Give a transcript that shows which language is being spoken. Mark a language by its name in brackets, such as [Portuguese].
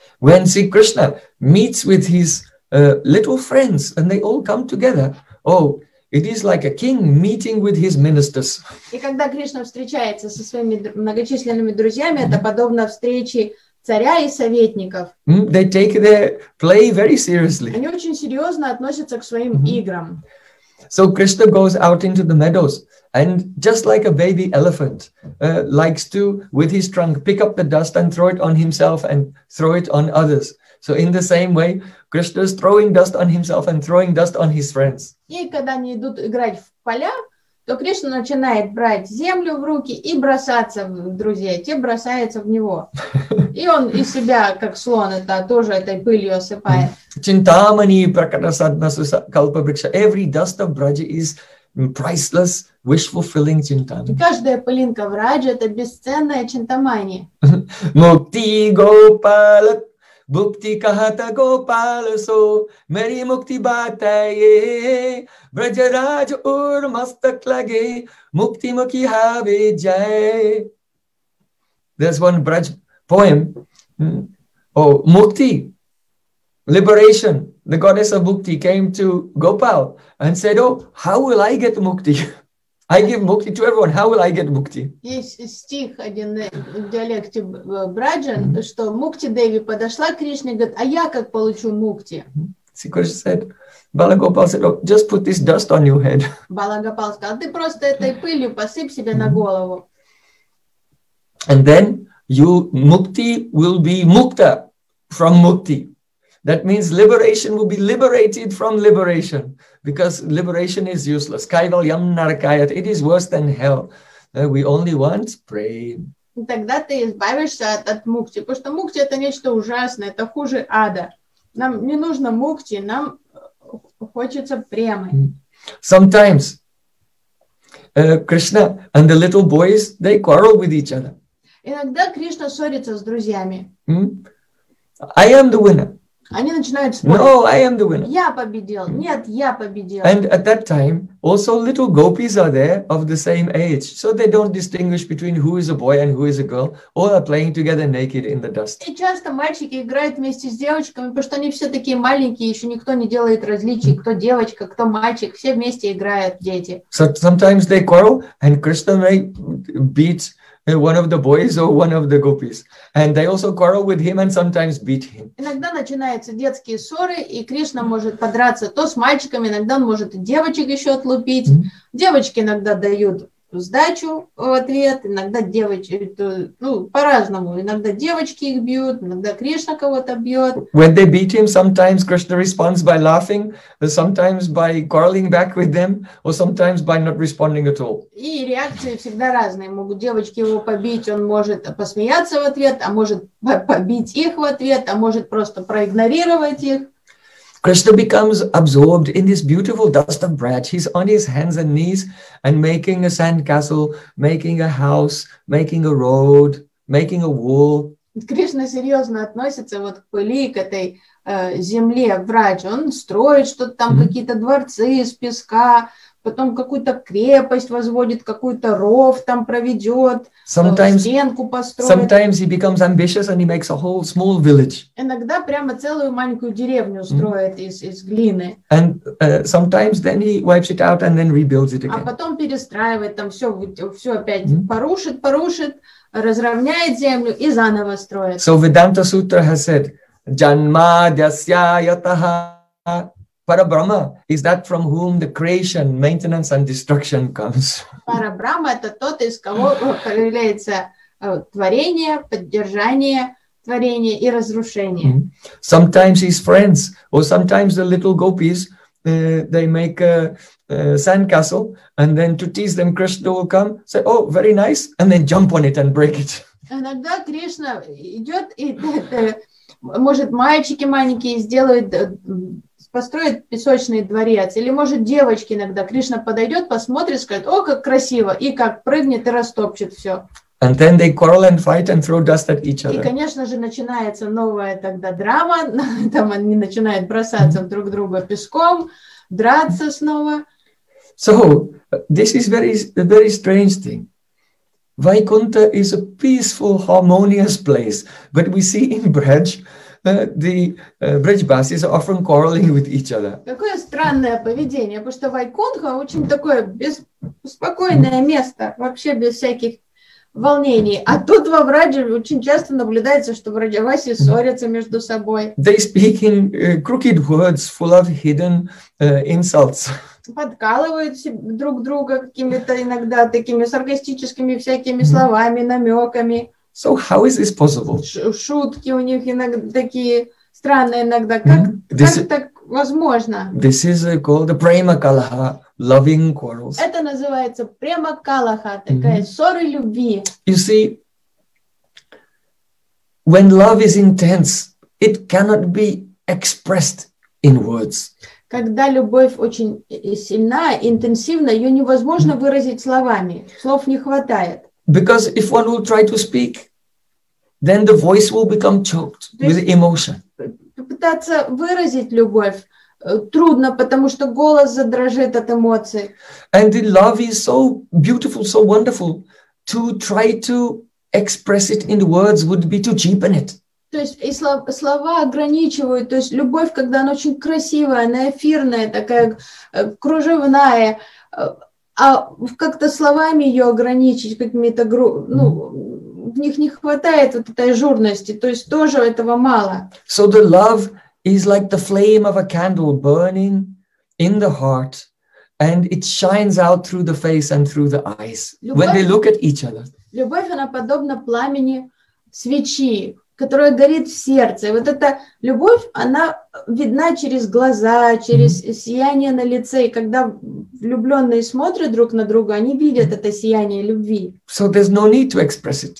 [English] When Sri Krishna meets with his little friends and they all come together, oh, it is like a king meeting with his ministers. [Russian] И когда Кришна встречается со своими многочисленными друзьями, это подобно встрече царя и советников. [English] They take their play very seriously. [Russian] Они очень серьезно относятся к своим играм. [English] So Krishna goes out into the meadows and just like a baby elephant likes to, with his trunk, pick up the dust and throw it on himself and throw it on others. So in the same way, Krishna is throwing dust on himself and throwing dust on his friends. [Russian] И когда они идут играть в поля, то Кришна начинает брать землю в руки и бросаться в друзей. Те бросаются в него. И он из себя, как слон, это тоже этой пылью осыпает. [Sanskrit] Чинтамани пракатасадна сукалпа брикша. [English] Every dust of Braja is priceless, wish-fulfilling chintamani. [Russian] Каждая пылинка в Радже – это бесценная чинтамани. [Braj] Мукти гопала Bhukti kahata gopalaso, meri mukti bataye, brajaraj ur mastak lage, mukti mukhi have jaye. [English] There's one Braj poem. Oh, mukti, liberation. The goddess of mukti came to Gopal and said, "Oh, how will I get mukti? I give mukti to everyone. How will I get mukti?" [Russian] Есть стих один в диалекте Браджан, что мукти деви подошла к Кришне и говорит, а я как получу мукти? [English] Сикоша said, Балагопал said, "Oh, just put this dust on your head." [Russian] Балагопал сказал, ты просто этой пылью посыпь себе на голову. [English] And then you mukti will be mukta from mukti. That means liberation will be liberated from liberation, because liberation is useless. [Sanskrit] Kaivalyam narakayat. [English] It is worse than hell. We only want prem. [Russian] Тогда ты избавишься от мукти, потому что мукти это нечто ужасное, это хуже ада. Нам не нужно мукти, нам хочется премы. [English] Sometimes Krishna and the little boys, they quarrel with each other. [Russian] Иногда Кришна ссорится с друзьями. [English] I am the winner. [Russian] Они начинают спорить. [English] No, I am the winner. [Russian] Я победил. Нет, я победил. [English] And at that time, also little gopis are there of the same age. So they don't distinguish between who is a boy and who is a girl. All are playing together naked in the dust. [Russian] И часто мальчики играют вместе с девочками, потому что они все такие маленькие, еще никто не делает различий, кто девочка, кто мальчик. Все вместе играют, дети. [English] So sometimes they quarrel and Krishna may beat one of the boys or one of the gopis. And they also quarrel with him and sometimes beat him. [Russian] Иногда начинаются детские ссоры, и Кришна может подраться то с мальчиками, иногда он может девочек еще отлупить. Mm-hmm. Девочки иногда дают сдачу в ответ, иногда девочки, ну, по-разному. Иногда девочки их бьют, иногда Кришна кого-то бьет. [English] When they beat him, sometimes Krishna responds by laughing, sometimes by quarreling back with them, or sometimes by not responding at all. [Russian] И реакции всегда разные. Могут девочки его побить, он может посмеяться в ответ, а может побить их в ответ, а может просто проигнорировать их. [English] Krishna becomes absorbed in this beautiful dust of bread. He's on his hands and knees and making a sandcastle, making a house, making a road, making a wall. [Russian] Кришна серьезно относится вот к пыли, к этой земле, врач. Он строит что-то там, mm-hmm. какие-то дворцы из песка, потом какую-то крепость возводит, какую-то ров там проведет, стенку построит. [English] Sometimes he becomes ambitious and he makes a whole small village. [Russian] Иногда прямо целую маленькую деревню строит из глины. [English] And sometimes then he wipes it out and then rebuilds it again. [Russian] А потом перестраивает там все опять порушит, разровняет землю и заново строит. [English] So Vedanta Sutra has said, [Sanskrit] Janma dasya yataha [English] Parabrahma is that from whom the creation, maintenance, and destruction comes. [Russian] Parabrahma это тот, из кого появляется творение, поддержание, творение и разрушение. [English] Sometimes his friends, or sometimes the little gopis, they make a sandcastle, and then to tease them, Krishna will come, say, "Oh, very nice," and then jump on it and break it. [Russian] Иногда Кришна идет и может мальчики маленькие сделают. Построит песочный дворец, или может девочки иногда Кришна подойдет, посмотрит, скажет, о, как красиво, и как прыгнет и растопчет все. [English] And then they quarrel and fight and throw dust at each other. [Russian] И, конечно же, начинается новая тогда драма, там они начинают бросаться друг друга песком, драться снова. [English] So this is very, very strange thing. Vaikuntha is a peaceful, harmonious place, but we see in Braj. The Brajbasis are often quarreling with each other. [Russian] Какое странное поведение, потому что Вайкунха очень такое беспокойное место, вообще без всяких волнений. А тут во Врадже очень часто наблюдается, что Враджаваси ссорятся между собой. [English] They speak in crooked words, full of hidden insults. [Russian] Подкалывают друг друга какими-то иногда такими саркастическими всякими словами, намеками. [English] So how is this possible? [Russian] Шутки у них иногда такие странные иногда. Как так возможно? [English] This is called the prema kalaha, loving quarrels. [Russian] Это называется prema kalaha, такая ссоры любви. [English] You see, when love is intense, it cannot be expressed in words. [Russian] Когда любовь очень сильна, интенсивна, ее невозможно выразить словами. Слов не хватает. [English] Because if one will try to speak, then the voice will become choked with emotion. [Russian] Пытаться выразить любовь трудно, потому что голос задрожит от эмоций. [English] And the love is so beautiful, so wonderful, to try to express it in words would be to cheapen it. [Russian] То есть и слова ограничивают. То есть любовь, когда она очень красивая, она эфирная, такая кружевная, а как-то словами ее ограничить какими-то ну, в них не хватает вот этой жирности, то есть тоже этого мало. [English] So the love is like the flame of a candle burning in the heart, and it shines out through the face and through the eyes when they look at each other. [Russian] Любовь она подобна пламени свечи, которая горит в сердце. Вот эта любовь, она видна через глаза, через сияние на лице. И когда влюбленные смотрят друг на друга, они видят это сияние любви. [English] So there's no need to express it.